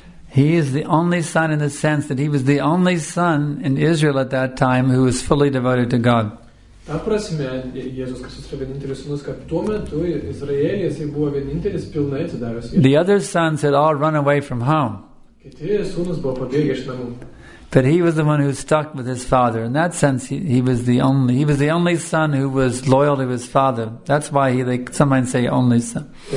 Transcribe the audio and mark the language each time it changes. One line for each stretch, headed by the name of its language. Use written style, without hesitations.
English: He is the only son in the sense that he was the only son in Israel at that time who was fully devoted to God.
Lithuanian: Ta prasme, Jėzus Kristus yra vienintelis sūnus, kad tuo metu Izraelis buvo vienintelis pilnai atsidavęs.
English: The other sons had all run away from home.
Lithuanian: Kiti sūnus buvo pabėgę iš namų.
English: But he was the one who stuck with his father. In that sense, he was the only son who was loyal to his father. That's why some might say only son.